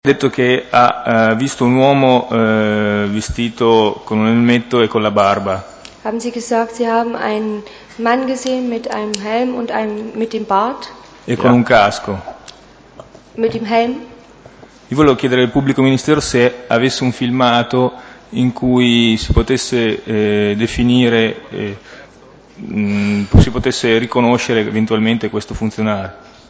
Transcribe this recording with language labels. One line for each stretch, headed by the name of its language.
Italian: detto che ha visto un uomo vestito con un elmetto e con la barba.
German: Haben Sie gesagt, Sie haben einen Mann gesehen mit einem Helm und einem mit dem Bart?
Italian: E con un casco.
German: Mit dem Helm?
Italian: Io volevo chiedere al pubblico ministero se avesse un filmato in cui si potesse definire, si potesse riconoscere eventualmente questo funzionario.